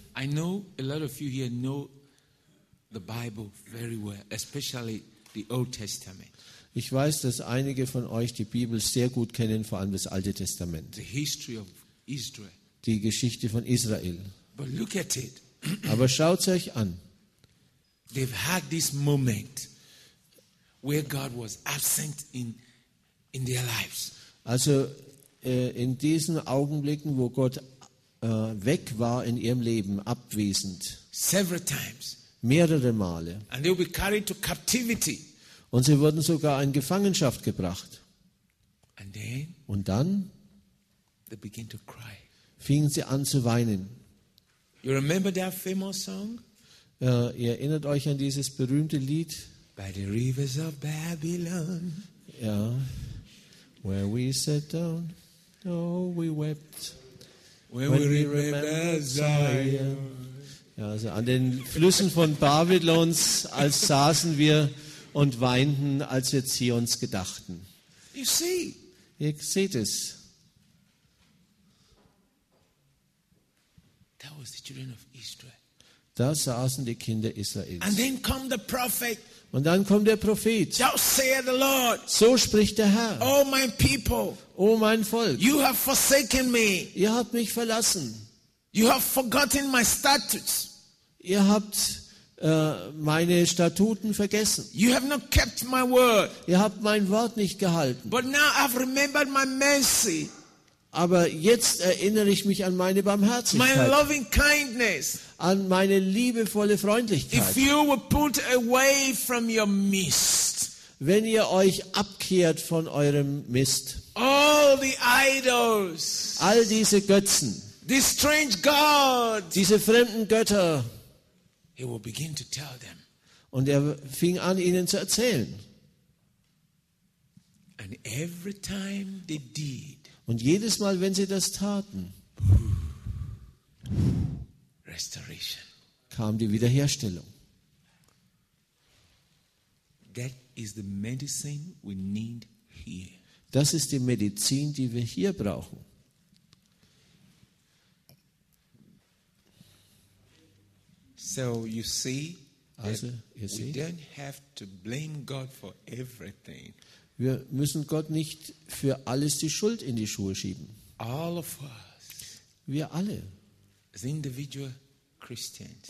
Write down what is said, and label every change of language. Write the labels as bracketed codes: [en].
[en] I know a lot of you here know the Bible very well, especially the Old Testament. [de] Ich weiß, dass einige von euch die Bibel sehr gut kennen, vor allem das Alte Testament. [en] The history of Israel. [de] Die Geschichte von Israel. [en] But look at it. [de] Aber schaut es euch an. [en] They've had this moment where God was absent in their lives. [de] Also in diesen Augenblicken, wo Gott weg war in ihrem Leben, abwesend. [en] Several times. [de] Mehrere Male. [en] And they'll be carried to captivity. [de] Und sie wurden sogar in Gefangenschaft gebracht. [en] And then, [de] und dann [en] they begin to cry. [de] Fingen sie an zu weinen. [en] You remember that famous song? [de] Ihr erinnert euch an dieses berühmte Lied? [en] By the rivers of Babylon. [de] Ja. [en] Where we sat down, oh, we wept. When we remember Zion. [de] Ja, also an den Flüssen von Babylons, als saßen wir und weinten, als wir Zions gedachten. [en] You see. [de] Ihr seht es. [en] That was the children of Israel. [de] Da saßen die Kinder Israels. [en] And then come the prophet. [de] Und dann kommt der Prophet. [en] Thus saith the Lord. [de] So spricht der Herr. [en] O my people. [de] O mein Volk. [en] You have forsaken me. [de] Ihr habt mich verlassen. [en] You have forgotten my statutes. [de] Ihr habt meine Statuten vergessen. [en] You have not kept my word. [de] Ihr habt mein Wort nicht gehalten. [en] But now I've remembered my mercy. [de] Aber jetzt erinnere ich mich an meine Barmherzigkeit. [en] My loving kindness. [de] An meine liebevolle Freundlichkeit. [en] If you were put away from your mist. [de] Wenn ihr euch abkehrt von eurem Mist. [en] All the idols. [de] All diese Götzen. [en] This strange God. [de] Diese fremden Götter. [en] He will begin to tell them. [de] Und er fing an, ihnen zu erzählen. [en] And every time they did, [de] und jedes Mal, wenn sie das taten, [en] Restoration. [de] Kam die Wiederherstellung. [en] That is the medicine we need here. [de] Das ist die Medizin, die wir hier brauchen. [en] So you see, [de] also, ihr [en] we don't have to blame God for everything. [de] Wir müssen Gott nicht für alles die Schuld in die Schuhe schieben. [en] All of us. [de] Wir alle. [en] As individual Christians.